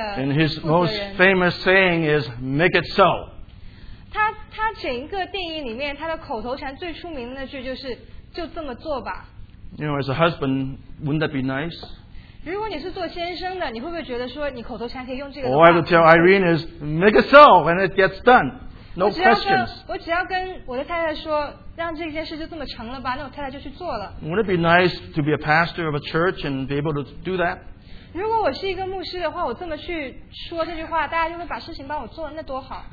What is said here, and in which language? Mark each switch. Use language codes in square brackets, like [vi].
[en] And his most famous saying is, "Make it so." [zh] 他整个电影里面，他的口头禅最出名的那句就是，就这么做吧。 [en] You know, as a husband, wouldn't that be nice? [zh] 如果你是做先生的，你会不会觉得说你口头禅可以用这个？ [en] All I would tell Irene is, make it so, and it gets done. No questions. [zh] 我只要跟我的太太说，让这件事就这么成了吧， 那我太太就去做了。 [en] Wouldn't it be nice to be a pastor of a church and be able to do that? [zh] 如果我是一个牧师的话，我这么去说这句话，大家就会把事情帮我做了，那多好。